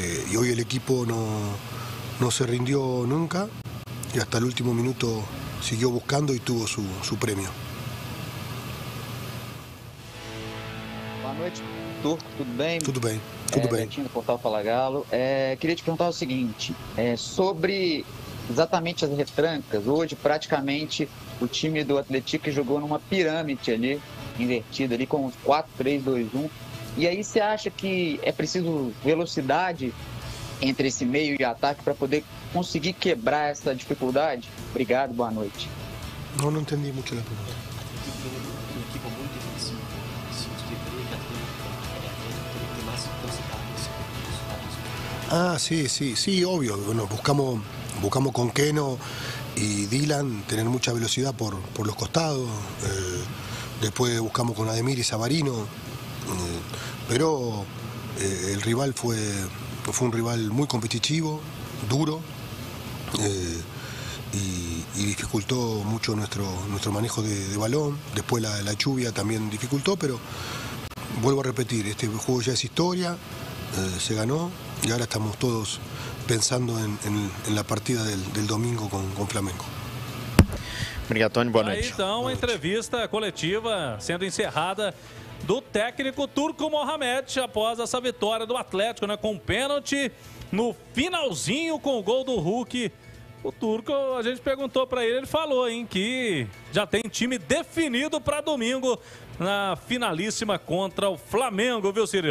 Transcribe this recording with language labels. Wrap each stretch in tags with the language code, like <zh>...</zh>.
<es>Y hoy el equipo no se rindió nunca y hasta el último minuto siguió buscando y tuvo su premio. Buenas noches, ¿todo bien? Todo bien, todo bien.</es> <pt>Betinho, do Portal Fala Galo. Queria te perguntar o seguinte, sobre exatamente as retrancas, hoje praticamente o time do Atlético jogou numa pirâmide ali, invertida ali com 4-3-2-1. E aí você acha que é preciso velocidade entre esse meio e ataque para poder conseguir quebrar essa dificuldade? Obrigado, boa noite. Não entendi muito a pergunta. Ah, sim, óbvio. Bueno, buscamos com Keno e Dylan ter muita velocidade por os costados. Depois buscamos com Ademir e Savarino.</pt> <es>Pero el rival fue un rival muy competitivo, duro, y dificultó mucho nuestro manejo de balón. Después la lluvia también dificultó, pero vuelvo a repetir, este juego ya es historia, se ganó y ahora estamos todos pensando en la partida del domingo con Flamengo.</es> <pt>Obrigado, Tony. Boa noite. Aí, então, boa noite. Entrevista coletiva sendo encerrada do técnico Turco Mohamed após essa vitória do Atlético, né, com um pênalti no finalzinho com o gol do Hulk O Turco, a gente perguntou para ele, ele falou, hein, que já tem time definido para domingo na finalíssima contra o Flamengo, viu, Cirilo?</pt>